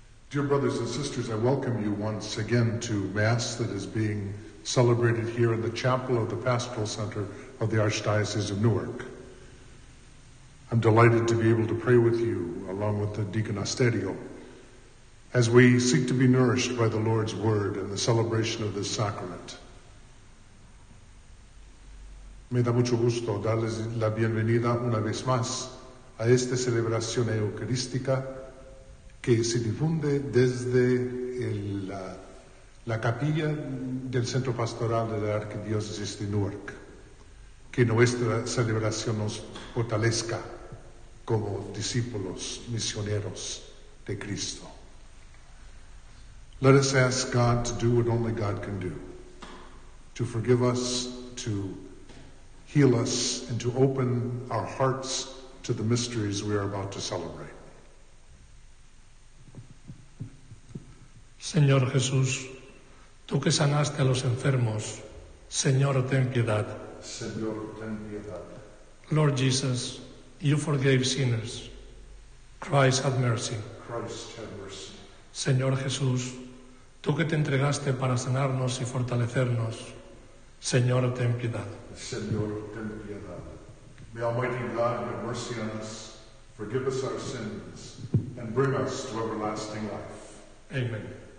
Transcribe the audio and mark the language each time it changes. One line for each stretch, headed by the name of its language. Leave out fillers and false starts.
English: Dear brothers and sisters, I welcome you once again to Mass that is being celebrated here in the chapel of the Pastoral Center of the Archdiocese of Newark. I'm delighted to be able to pray with you, along with the Deaconasterio, as we seek to be nourished by the Lord's Word and the celebration of this sacrament.
Spanish: Me da mucho gusto darles la bienvenida una vez más a esta celebración eucarística que se difunde desde la capilla del Centro Pastoral de la Arquidiócesis de Newark. Que nuestra celebración nos fortalezca como discípulos misioneros de Cristo.
English: Let us ask God to do what only God can do, to forgive us, to heal us, and to open our hearts to the mysteries we are about to celebrate.
Spanish: Señor Jesús, tú que sanaste a los enfermos, Señor, ten piedad. Señor, ten piedad.
English: Lord Jesus, you forgave sinners. Christ, have mercy. Christ, have mercy.
Spanish: Señor Jesús, tú que te entregaste para sanarnos y fortalecernos, Señor, ten piedad. Señor, ten piedad.
English: May Almighty God have mercy on us, forgive us our sins, and bring us to everlasting life. Amen.